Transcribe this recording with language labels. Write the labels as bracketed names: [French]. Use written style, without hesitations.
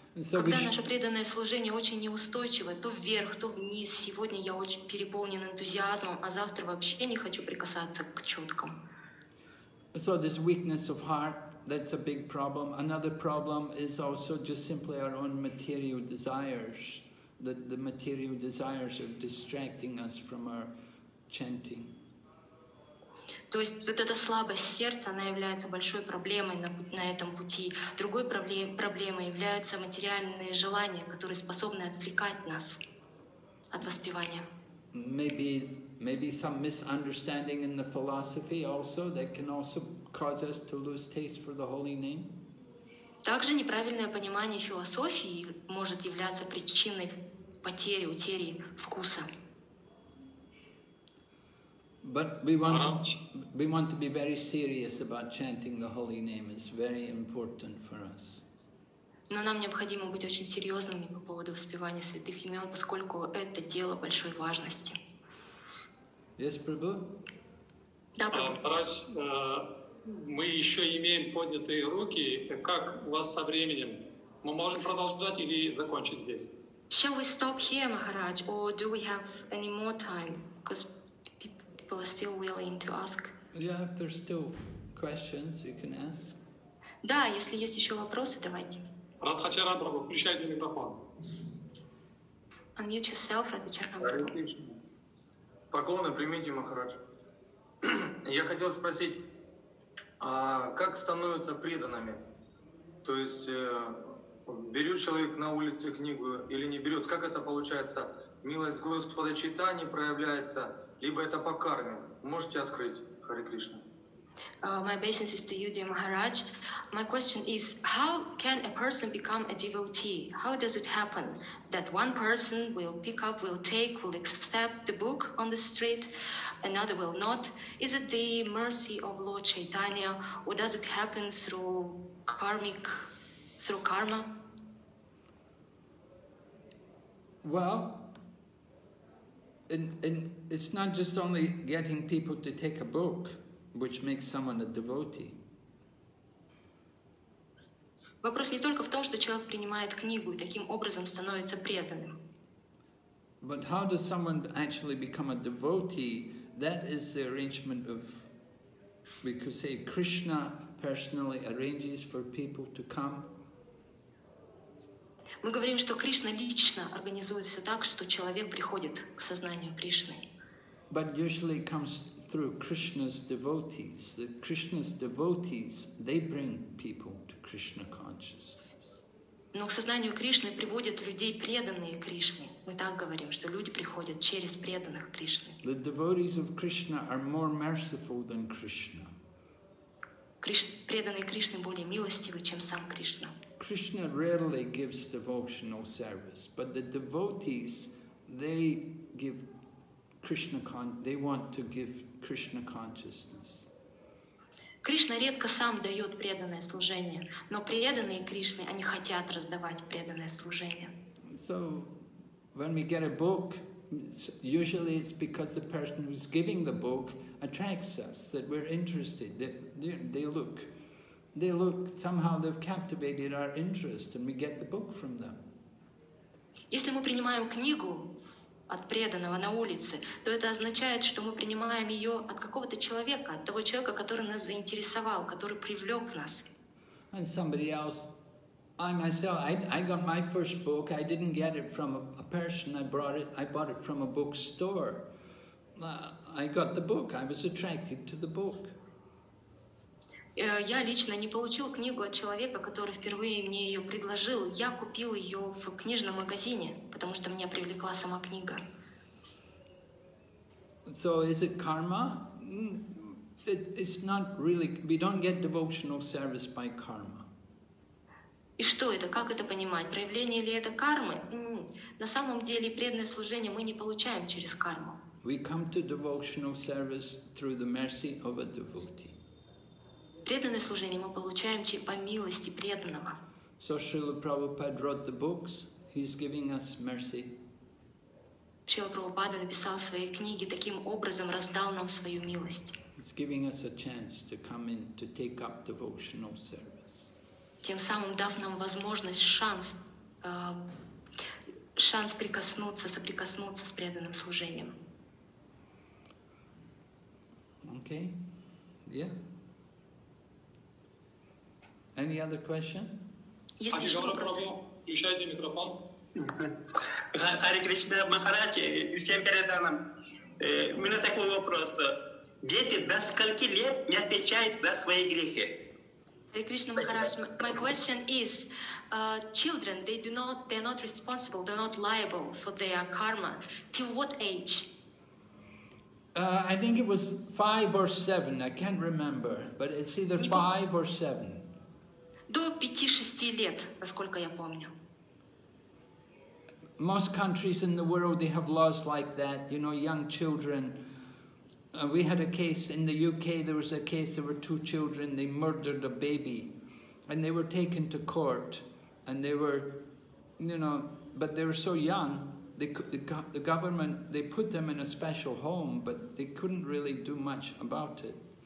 [Russian] Когда наше преданное служение очень неустойчивое, то вверх, то вниз, сегодня я очень переполнен энтузиазмом, а завтра вообще не хочу прикасаться к чуткам. [English] So this weakness of heart, that's a big problem. Another problem is also just simply our own material desires, that the material desires are distracting us from our chanting. [Russian] То есть вот эта слабость сердца, она является большой проблемой на этом пути. Другой проблемой являются материальные желания, которые способны отвлекать нас от воспевания. [English] Maybe some misunderstanding in the philosophy also that can also cause us to lose taste for the holy name. [Russian] Также неправильное понимание философии может являться причиной потери, утери вкуса. [English] But we want to be very serious about chanting the holy name. It's very important for us. [Russian] Но нам необходимо быть очень серьезными по поводу воспевания святых имен, поскольку это дело большой важности. [English] Yes, Prabhu? [Russian] Да, Prabhu. Раз мы еще имеем поднятые руки, как у вас со временем? Мы можем продолжать или закончить здесь? [English] Shall we stop here, Maharaj, or do we have any more time? Because people are still willing to ask. Yeah, if there's still questions, you can ask. [Russian] Да, если есть еще вопросы, давайте. Радхачаран Прабху, включайте микрофон. [English] Unmute yourself, Радхачаран [Russian] Прабху. Поклоны примите, Махарадж. Я хотел спросить, а как становятся преданными? То есть берет человек на улице книгу или не берет? Как это получается? Милость Господа Чайтаньи проявляется? Либо это по карме. Можете открыть, Харе Кришна. [English] My obeisance is to you, dear Maharaj. My question is, how can a person become a devotee? How does it happen that one person will pick up, will take, will accept the book on the street, another will not? Is it the mercy of Lord Chaitanya, or does it happen through karma? Well, and it's not just only getting people to take a book which makes someone a devotee. [Russian] Вопрос не только в том, что человек принимает книгу и таким образом становится преданным. [English] But how does someone actually become a devotee? That is the arrangement of We could say Krishna personally arranges for people to come. [Russian] Мы говорим, что Кришна лично организует все так, что человек приходит к сознанию Кришны. [English] But usually it comes through Krishna's devotees. The Krishna's devotees, they bring people to Krishna consciousness. [Russian] Но к сознанию Кришны приводят людей, преданные Кришне. Мы так говорим, что люди приходят через преданных Кришне. [English] The devotees of Krishna are more merciful than Krishna. [Russian] Преданные Кришне более милостивы, чем сам Кришна. [English] Krishna rarely gives devotional service, but the devotees, they give Krishna they want to give Krishna consciousness. [Russian] Кришна редко сам дает преданное служение, но преданные Кришне, они хотят раздавать преданное служение. [English] So, when we get a book, usually it's because the person who's giving the book attracts us, that we're interested, that they look, somehow they've captivated our interest and we get the book from them. [Russian] Если мы принимаем книгу от преданного на улице, то это означает, что мы принимаем ее от какого-то человека, от того человека, который нас заинтересовал, который привлек нас. [English] And somebody else, I myself, I got my first book, I didn't get it from a person, I bought it from a bookstore. I got the book, I was attracted to the book. [Russian] Я лично не получил книгу от человека, который впервые мне ее предложил. Я купил ее в книжном магазине, потому что меня привлекла сама книга. [English] So is it karma? It's not really. We don't get devotional service by karma. [Russian] И что это? Как это понимать? Проявление ли это кармы? На самом деле преданное служение мы не получаем через карму. [English] We come to devotional service through the mercy of a devotee. [Russian] Преданное служение мы получаем по милости преданного. [English] So Srila Prabhupada wrote the books, he's giving us mercy. [Russian] Srila Prabhupada написал свои книги, таким образом раздал нам свою милость. [English] He's giving us a chance to come in, to take up devotional service. [Russian] Тем самым дав нам возможность, шанс соприкоснуться с преданным служением. [English] Okay, yeah. Any other question? [Russian] Есть еще вопросы? Включайте микрофон. Хари Кришна Махараджи, всем переданным. У меня такой вопрос. Дети до скольки лет не отвечают за свои грехи? [English] Хари Кришна Махараджи, my question is, children, they are not responsible, they're not liable for their karma. Till what age? I think it was 5 or 7, I can't remember, but it's either 5 or 7. [Russian] До 5-6 лет, насколько я помню. [English] Most countries in the world, they have laws like that. You know, young children. We had a case in the UK, there was a case, there were 2 children, they murdered a baby. And they were taken to court. And they were, you know, but they were so young, the government, they put them in a special home, but they couldn't really do much about it.